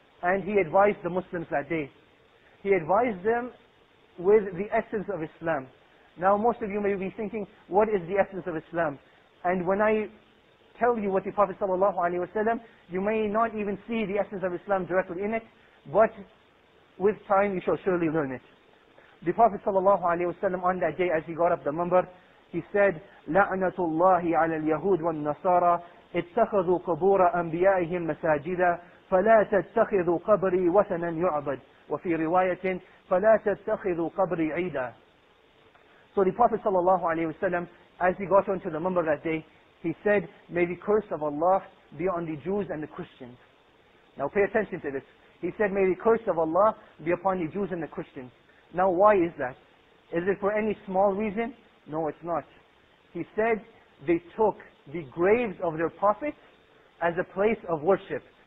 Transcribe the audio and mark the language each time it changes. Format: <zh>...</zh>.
<en>And he advised the Muslims that day. He advised them with the essence of Islam. Now most of you may be thinking, what is the essence of Islam? And when I tell you what the Prophet sallallahu alaihi wasallam, you may not even see the essence of Islam directly in it, but with time you shall surely learn it. The Prophet sallallahu alaihi wasallam on that day, as he got up the minbar, he said,</en> <ar>لَعْنَةُ اللَّهِ عَلَى الْيَهُودِ وَالنَّصَارَى اتَّخَذُوا قُبُورَ أَنْبِيَائِهِمْ مَسَاجِدًا فَلَا تَتَّخِذُوا قَبْرِي وَثَنًا يُعْبَدْ وَفِي رِوَايَةٍ فَلَا تَتَّخِذُوا قَبْرِي عِيدًا.</ar> <en>So the Prophet sallallahu alaihi wasallam, as he got onto the minbar that day, he said, may the curse of Allah be on the Jews and the Christians. Now pay attention to this. He said, may the curse of Allah be upon the Jews and the Christians. Now why is that? Is it for any small reason? No, it's not. He said, they took the graves of their prophets as a place of worship.</en>